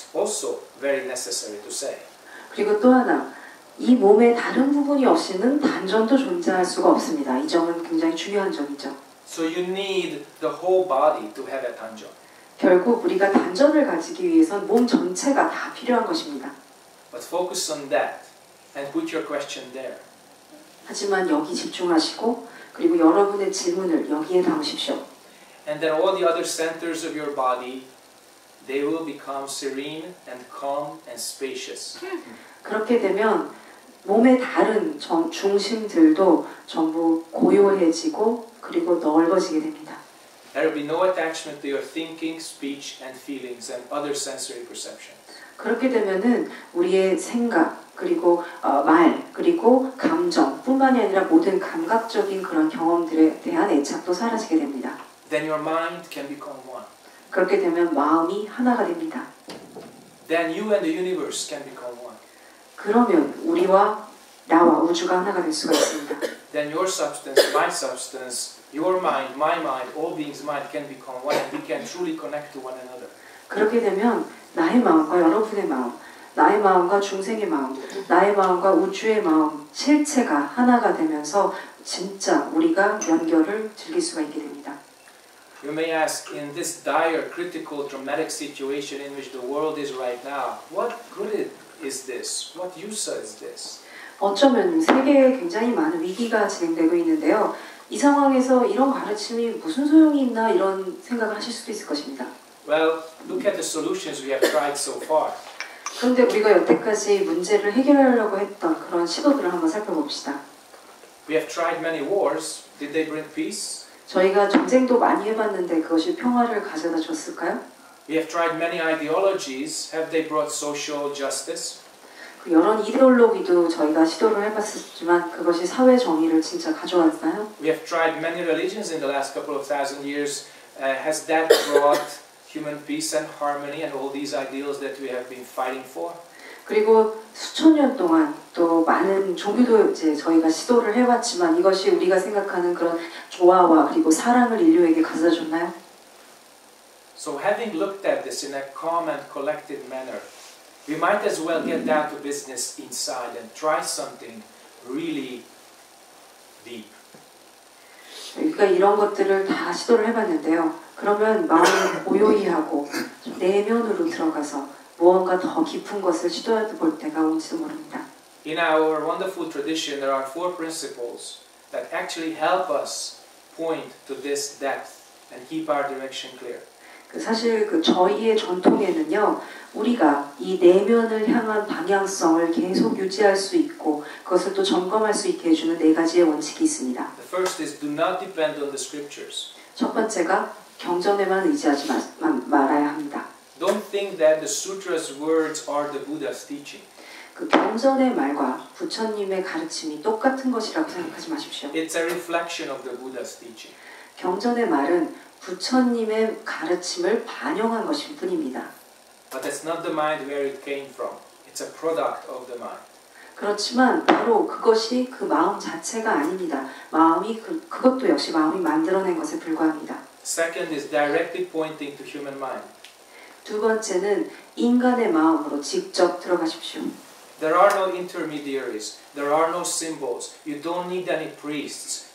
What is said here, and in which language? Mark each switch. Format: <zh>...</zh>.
<en>That's also very necessary to say.</en> <ko>그리고 또 하나. 이 몸의 다른 부분이 없이는 단전도 존재할 수가 없습니다. 이 점은 굉장히 중요한 점이죠.</ko> <en>So you need the whole body to have a 단전.</en> <ko>결국 우리가 단전을 가지기 위해선 몸 전체가 다 필요한 것입니다.</ko> <en>But focus on that and put your question there.</en> <ko>하지만 여기 집중하시고 그리고 여러분의 질문을 여기에 담으십시오.</ko> <en>And then all the other centers of your body, they will become serene and calm and spacious.</en> <ko>그렇게 되면 몸의 다른 중심들도 전부 고요해지고 그리고 넓어지게 됩니다.</ko> <en>There will be no attachment to your thinking, speech, and feelings and other sensory perceptions.</en> <ko>그렇게 되면은 우리의 생각 그리고 말 그리고 감정뿐만이 아니라 모든 감각적인 그런 경험들에 대한 애착도 사라지게 됩니다.</ko> <en>Then your mind can become one.</en> <ko>그렇게 되면 마음이 하나가 됩니다.</ko> <en>Then you and the universe can become one.</en> <ko>그러면 우리와 나와 우주가 하나가 될 수가 있습니다.</ko> <en>Then your substance, my substance, your mind, my mind, all beings' mind can become one. We can truly connect to one another.</en> <ko>그렇게 되면 나의 마음과 여러분의 마음, 나의 마음과 중생의 마음, 나의 마음과 우주의 마음 실체가 하나가 되면서 진짜 우리가 연결을 즐길 수가 있게 됩니다.</ko> <en>You may ask, in this dire, critical, dramatic situation in which the world is right now, what could it? Is this what use is this?</en> <ko>어쩌면 세계에 굉장히 많은 위기가 진행되고 있는데요. 이 상황에서 이런 가르침이 무슨 소용이 있나 이런 생각을 하실 수도 있을 것입니다.</ko> <en>Well, look at the solutions we have tried so far.</en> <ko>그런데 우리가 여태까지 문제를 해결하려고 했던 그런 시도들을 한번 살펴봅시다.</ko> <en>We have tried many wars. Did they bring peace?</en> <ko>저희가 전쟁도 많이 해봤는데 그것이 평화를 가져다 줬을까요?</ko> <en>We have tried many ideologies. Have they brought social justice?</en> <ko>그 여러 이데올로기도 저희가 시도를 해봤었지만 그것이 사회 정의를 진짜 가져왔나요?</ko> <en>We have tried many religions in the last couple of thousand years. Has that brought human peace and harmony and all these ideals that we have been fighting for?</en> <ko>그리고 수천 년 동안 또 많은 종교도 이제 저희가 시도를 해봤지만 이것이 우리가 생각하는 그런 조화와 그리고 사랑을 인류에게 가져줬나요?</ko> <en>So having looked at this in a calm and collected manner, we might as well get down to business inside and try something really deep.</en> <ko>그러니까 이런 것들을 다 시도를 해봤는데요. 그러면 마음을 고요히 하고 내면으로 들어가서 무언가 더 깊은 것을 시도해 볼 때가 온지도 모릅니다.</ko> <en>In our wonderful tradition, there are four principles that actually help us point to this depth and keep our direction clear.</en> <ko>사실 그 저희의 전통에는요, 우리가 이 내면을 향한 방향성을 계속 유지할 수 있고 그것을 또 점검할 수 있게 해주는 네 가지의 원칙이 있습니다.</ko> <en>The first is do not depend on the scriptures.</en> <ko>첫 번째가 경전에만 의지하지 말아야 합니다.</ko> <en>Don't think that the sutra's words are the Buddha's teaching.</en> <ko>그 경전의 말과 부처님의 가르침이 똑같은 것이라고 생각하지 마십시오.</ko> <en>It's a reflection of the Buddha's teaching.</en> <ko>경전의 말은 부처님의 가르침을 반영한 것일 뿐입니다.</ko> <en>But that's not the mind where it came from. It's a product of the mind.</en> <ko>그렇지만 바로 그것이 그 마음 자체가 아닙니다. 마음이 그것도 역시 마음이 만들어낸 것에 불과합니다.</ko> <en>Second is directly pointing to human mind.</en> <ko>두 번째는 인간의 마음으로 직접 들어가십시오.</ko> <en>There are no intermediaries. There are no symbols. You don't need any priests.</en>